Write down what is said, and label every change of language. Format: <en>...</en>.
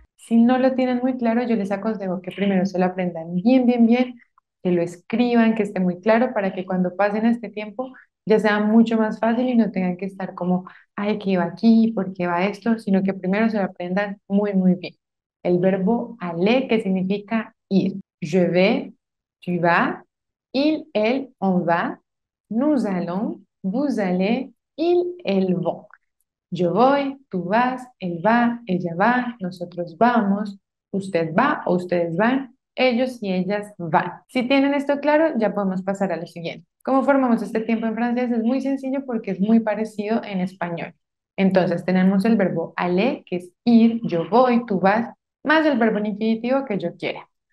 <es>Si no lo tienen muy claro, yo les aconsejo que primero se lo aprendan bien, bien, bien, que lo escriban, que esté muy claro para que cuando pasen este tiempo ya sea mucho más fácil y no tengan que estar como, ay, ¿qué va aquí? ¿Por qué va esto? Sino que primero se lo aprendan muy, muy bien. El verbo aller, que significa ir.</es> <fr>Je vais, tu vas, il, elle, on va. Nous allons, vous allez, ils, elles vont.</fr> <es>Yo voy, tú vas, él va, ella va, nosotros vamos, usted va o ustedes van, ellos y ellas van. Si tienen esto claro, ya podemos pasar a lo siguiente. ¿Cómo formamos este tiempo en francés? Es muy sencillo porque es muy parecido en español. Entonces, tenemos el verbo aller, que es ir, yo voy, tú vas, más el verbo en infinitivo que yo quiera.</es>